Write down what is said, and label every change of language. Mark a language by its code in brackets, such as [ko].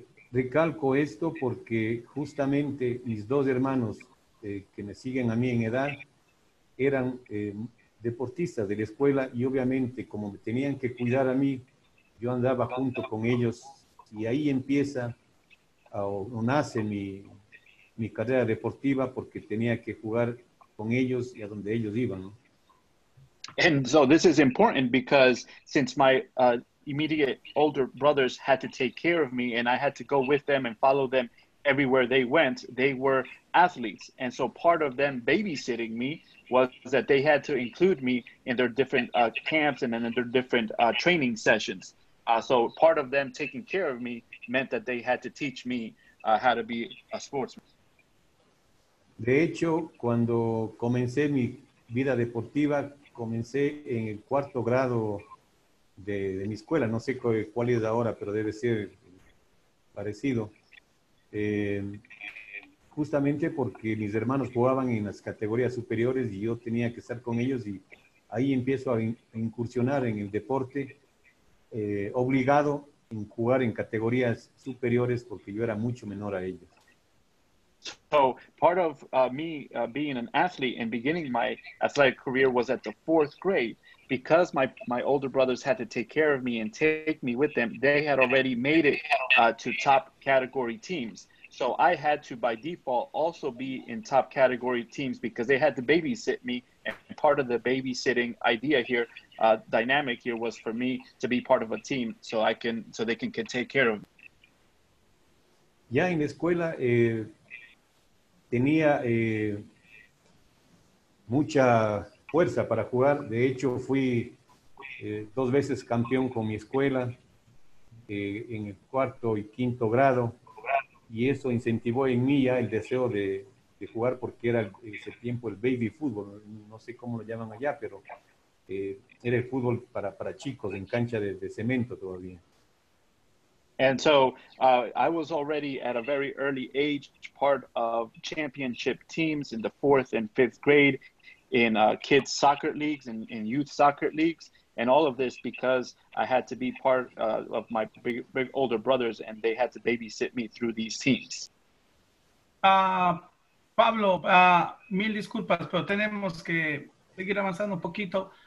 [es] Recalco esto porque justamente mis 2 hermanos que me siguen a mí en edad eran deportistas de la escuela, y obviamente como me tenían que cuidar a mí, yo andaba junto con ellos, y ahí empieza o nace mi carrera deportiva porque tenía que jugar con ellos y a donde ellos iban, ¿no? [en] And so this is important because since my immediate older brothers had to take care of me and I had to go with them and follow them everywhere they went, they were athletes. And so part of them babysitting me was that they had to include me in their different camps and in their different training sessions. So part of them taking care of me meant that they had to teach me how to be a sportsman. [es] De hecho, cuando comencé mi vida deportiva, comencé en el cuarto grado de mi escuela. No sé cuál es ahora, pero debe ser parecido. Justamente porque mis hermanos jugaban en las categorías superiores y yo tenía que estar con ellos y ahí empiezo a incursionar en el deporte, obligado en jugar en categorías superiores porque yo era mucho menor a ellos. [en] So part of me being an athlete and beginning my athletic career was at the fourth grade. Because my older brothers had to take care of me and take me with them, they had already made it to top category teams. So I had to, by default, also be in top category teams because they had to babysit me. And part of the babysitting idea here, dynamic here, was for me to be part of a team so I can so they can take care of me. [es] Ya en la escuela tenía mucha fuerza para jugar. De hecho, fui dos veces campeón con mi escuela en el cuarto y quinto grado. Y eso incentivó en mí ya el deseo de jugar porque era ese tiempo el baby fútbol. No sé cómo lo llaman allá, pero era el fútbol para chicos en cancha de cemento todavía. [en] And so I was already at a very early age part of championship teams in the fourth and fifth grade in kids' soccer leagues and in youth soccer leagues. And all of this because I had to be part of my big older brothers and they had to babysit me through these teams. [es] Pablo, mil disculpas, pero tenemos que seguir avanzando un poquito.